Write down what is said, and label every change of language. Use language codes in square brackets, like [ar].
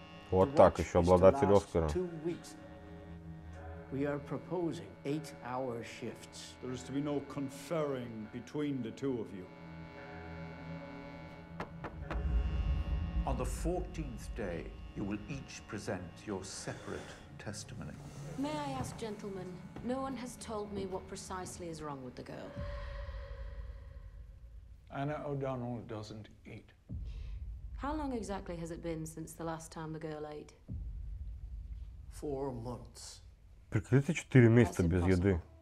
[ru] Вот так еще обладатель Оскара. [en] We are proposing 8-hour shifts. There is to be no conferring between the two of you. On the 14th day, you will each present your separate testimony. May I ask, gentlemen, no one has told me what precisely is wrong with the girl. Anna O'Donnell doesn't eat. How long exactly has it been since the last time the girl ate? 4 months. [ru] Прикажите 4 месяца без еды.